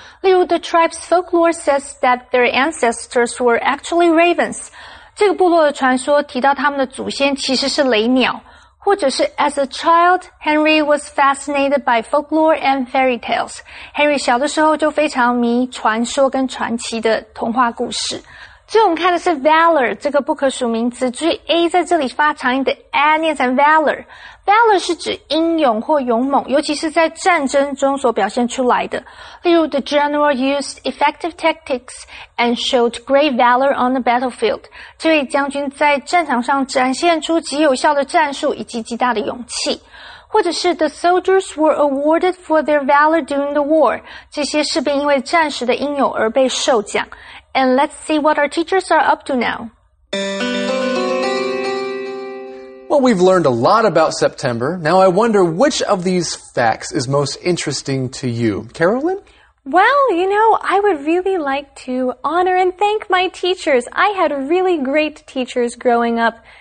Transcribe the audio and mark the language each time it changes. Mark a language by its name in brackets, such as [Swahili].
[Chinese] 例如 [English] the tribe's folklore says that their ancestors were actually ravens. [Chinese] 这个部落的传说提到他们的祖先其实是雷鸟。或者是 [English] as a child, Henry was fascinated by folklore and fairy tales. [Chinese] Henry 小的时候就非常迷传说跟传奇的童话故事。所以我们看的是 valor 这个不可数名词，注意 a 在这里发长音的 a 念成 valor。 valor 是指英勇或勇猛，尤其是在战争中所表现出来的。例如 [English] ，the general used effective tactics and showed great valor on the battlefield。 [Chinese] 这位将军在战场上展现出极有效的战术以及极大的勇气。或者是 [English] the soldiers were awarded for their valor during the war。 [Chinese] 这些士兵因为战时的英勇而被授奖。 [English] And let's see what our teachers are up to now. Well, we've learned a lot about September. Now I wonder which of these facts is most interesting to you, Carolyn? Well, you know, I would really like to honor and thank my teachers. I had really great teachers growing up,